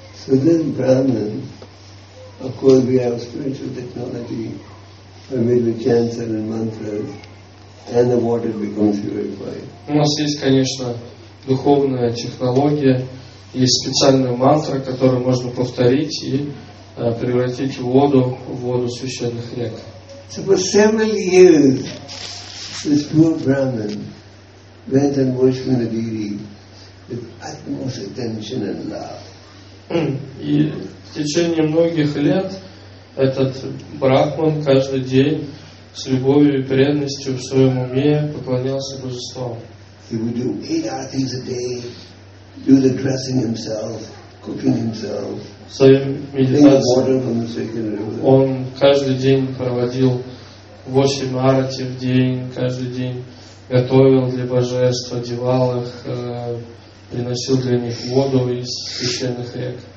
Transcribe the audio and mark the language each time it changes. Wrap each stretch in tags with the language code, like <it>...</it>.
<ru>У нас есть, конечно, духовная технология, есть специальная мантра, которую можно повторить и превратить воду в воду священных рек.</ru> <en>So for several years this poor Brahman went and worshipped the deity with utmost attention and love.</en> <ru>И в течение многих лет этот брахман каждый день с любовью и преданностью в своем уме поклонялся божествам.</ru> <en>He would do 8 hours a day, do the dressing himself, cooking himself.</en> <ru>В своей медитации он каждый день проводил 8 арати в день, каждый день готовил для божеств, одевал их, приносил для них воду из священных рек.</ru>